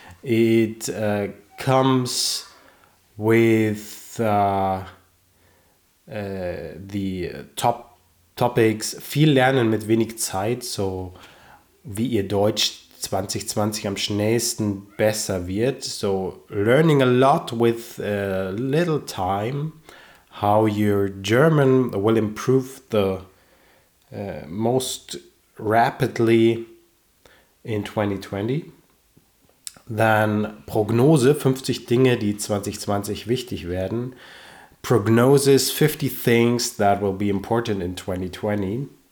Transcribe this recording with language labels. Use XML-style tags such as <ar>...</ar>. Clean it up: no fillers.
<en>It comes with the topics</en> <de>viel lernen mit wenig Zeit, so wie ihr Deutsch 2020 am schnellsten besser wird.</de> <en>So learning a lot with little time, how your German will improve the most rapidly in 2020.</en> <de>Then Prognose, 50 Dinge, die 2020 wichtig werden.</de> <en>Prognosis, 50 things that will be important in 2020.</en>